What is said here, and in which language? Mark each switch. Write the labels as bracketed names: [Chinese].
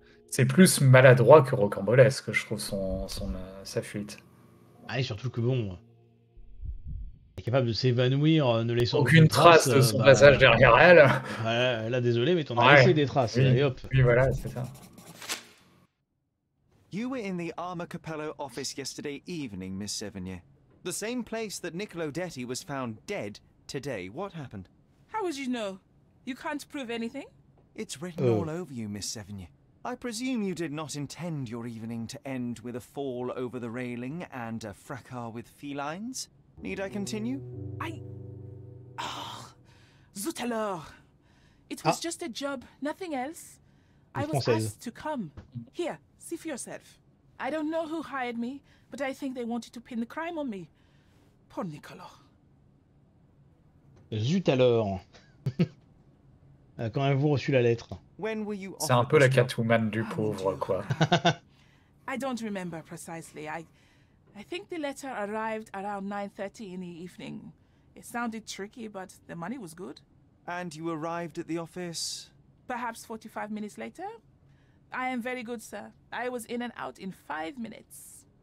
[French] C'est plus maladroit que rocambolesque, je trouve, sa fuite. Ah, et surtout que bon, elle est capable de s'évanouir, ne laissant aucune trace de son passage derrière elle. Voilà, là, désolé, mais t'en as laissé des traces. Oui. Et hop. Oui, voilà, c'est ça. [English] You were in the Armor Capello office yesterday evening, Miss Sevigny. The same place that Niccolo Detti was found dead today. What happened? How would you know? You can't prove anything. It's written all over you, Miss Sevigny. I presume you did not intend your evening to end with a fall over the railing and a fracas with felines. Need I continue? I... Oh, [French] zut alors. [English] It was just a job, nothing else. I was asked to come. Here, see for yourself. I don't know who hired me, but I think they wanted to pin the crime on me. Poor Niccolo. [French] Zut alors. Quand avez-vous reçu la lettre? C'est un peu la Catwoman du pauvre, quoi. [English] I don't remember precisely. I think the letter arrived around 9:30 in the evening. It sounded tricky, but the money was good. And you arrived at the office? Perhaps 45 minutes later. I am very good, sir. I was in and out in 5 minutes.